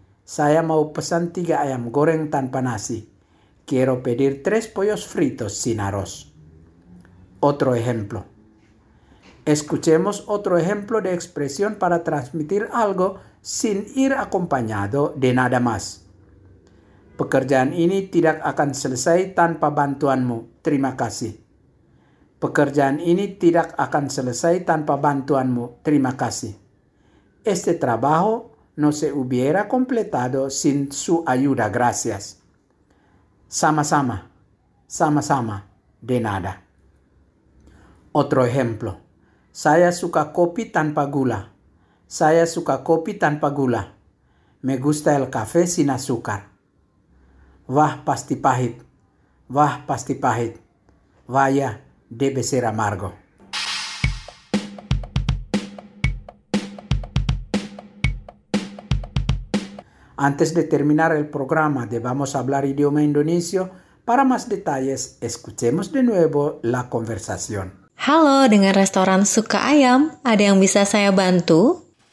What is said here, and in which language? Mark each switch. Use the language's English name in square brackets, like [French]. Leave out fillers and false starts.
[Indonesian] Saya mau pesan 3 ayam goreng tanpa nasi. [Spanish] Quiero pedir 3 pollos fritos sin arroz. Otro ejemplo. Escuchemos otro ejemplo de expresión para transmitir algo sin ir acompañado de nada más. [Indonesian] Pekerjaan ini tidak akan selesai tanpa bantuanmu. Terima kasih. Pekerjaan ini tidak akan selesai tanpa bantuanmu. Terima kasih. [Spanish] Este trabajo no se hubiera completado sin su ayuda. Gracias. [Indonesian] Sama-sama. Sama-sama. [Spanish] De nada. Otro ejemplo. [Indonesian] Saya suka kopi tanpa gula. Saya suka kopi tanpa gula. [Spanish] Me gusta el café sin azúcar. [Indonesian] Wah pasti pahit. Wah pasti pahit. [Spanish] Vaya debe ser amargo. Antes de terminar el programa, debamos hablar idioma indonesio. Para más detalles, escuchemos de nuevo la conversación. [Indonesian] Halo, dengan restoran Suka Ayam, ada yang bisa saya bantu?